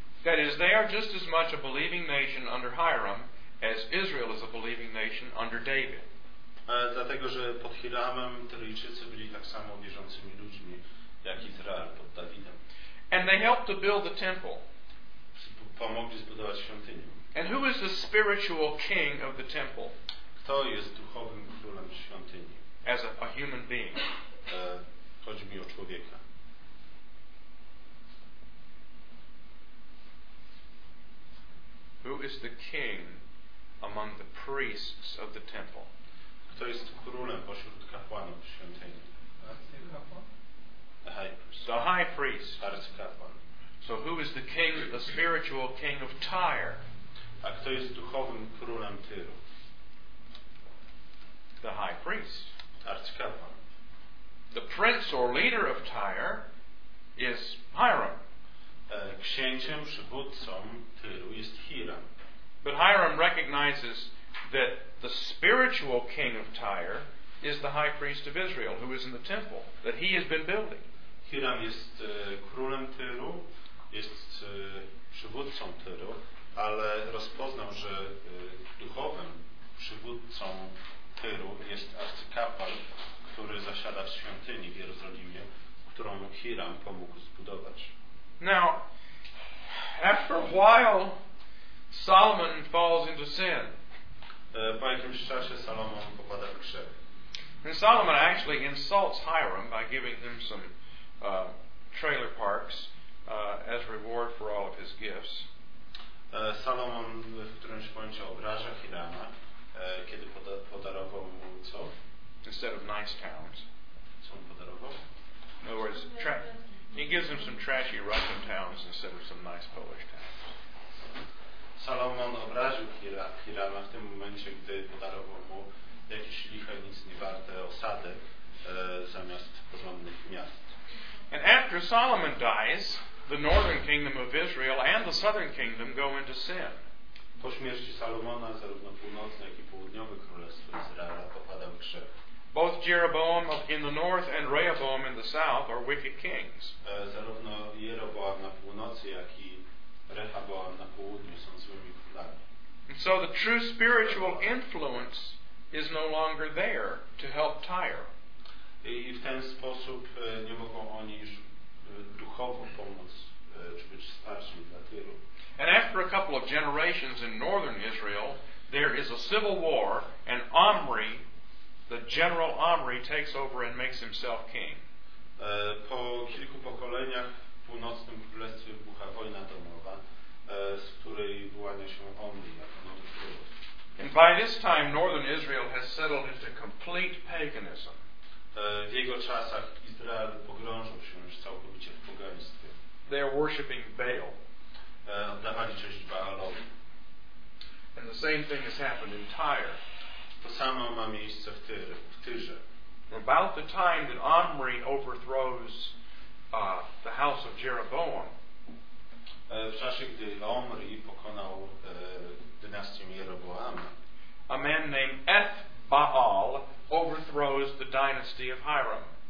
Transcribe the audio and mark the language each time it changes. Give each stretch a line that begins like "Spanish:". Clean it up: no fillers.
English: That is, they are just as much a believing nation under Hiram as Israel is a believing nation under David.
Polish: Dlatego, że pod Hiramem Tyryjczycy byli tak samo wierzącymi ludźmi jak Izrael pod Dawidem.
English: And they helped to build the temple.
Polish: Pomogli zbudować świątynię.
English: And who is the spiritual king of the temple?
Polish: Kto jest duchowym królem świątyni?
English: As a human being.
Polish: Chodzi mi o człowieka.
English: Who is the king among the priests of the temple?
Polish: Kto jest królem pośród kapłanów w świątyni?
English: The high priest. The high priest. So who is the king, the spiritual king of Tyre?
Polish: A kto jest duchowym królem Tyru?
English: The high priest.
Polish: Arcykapłan.
English: The prince or leader of Tyre is Hiram.
Polish: Księciem, przywódcą Tyru jest Hiram.
English: But Hiram recognizes that the spiritual king of Tyre is the high priest of Israel, who is in the temple that he has been building.
Polish: Hiram jest królem Tyru, jest przywódcą Tyru, ale rozpoznał, że duchowym przywódcą Tyru jest arcykapłan, który zasiada w świątyni w Jerozolimie, którą Hiram pomógł zbudować.
English: Now, after a while, Solomon falls into sin.
Polish: Po jakimś czasie Salomon popada w grzech.
English: And Solomon actually insults Hiram by giving him some trailer parks as reward for all of his gifts.
Polish: Salomon w którymś momencie obraża Hirama, kiedy podarował mu co?
English: Instead of nice towns.
Polish: Co on podarował?
English: In other words, he gives him some trashy Russian towns instead of some nice Polish towns.
Polish: Salomon obraził Hirama w tym momencie, gdy podarował mu jakieś liche, nic nie warte osady zamiast porządnych miast.
English: And after Solomon dies, the northern kingdom of Israel and the southern kingdom go into sin.
Polish: Po śmierci Salomona zarówno północne, jak i południowe królestwo Izraela popada w grzech.
English: Both Jeroboam in the north and Rehoboam in the south are wicked kings.
Polish: Zarówno Jeroboam na północy, jak i Rehoboam na południu są złymi królami.
English: So the true spiritual influence is no longer there to help Tyre.
Polish: I w ten sposób nie mogą oni już duchową pomoc, czy być starszym dla Tyru.
English: And after a couple of generations in northern Israel, there is a civil war, and Omri, the general Omri, takes over and makes himself king.
Polish: Po kilku pokoleniach w północnym królestwie wybucha wojna domowa, z której wyłania się Omri jako nowy król.
English: And by this time, northern Israel has settled into complete paganism.
Polish: W jego czasach Izrael pogrążył się już całkowicie w pogaństwie.
English: They are worshiping Baal.
Polish: Oddawali cześć Baalowi.
English: And the same thing has happened in Tyre.
Polish: To samo ma miejsce w Tyrze.
English: About the time that Omri overthrows the house of Jeroboam.
Polish: W czasie, gdy Omri pokonał dynastię Jeroboama.
English: A man named Ethbaal overthrows the dynasty of Hiram.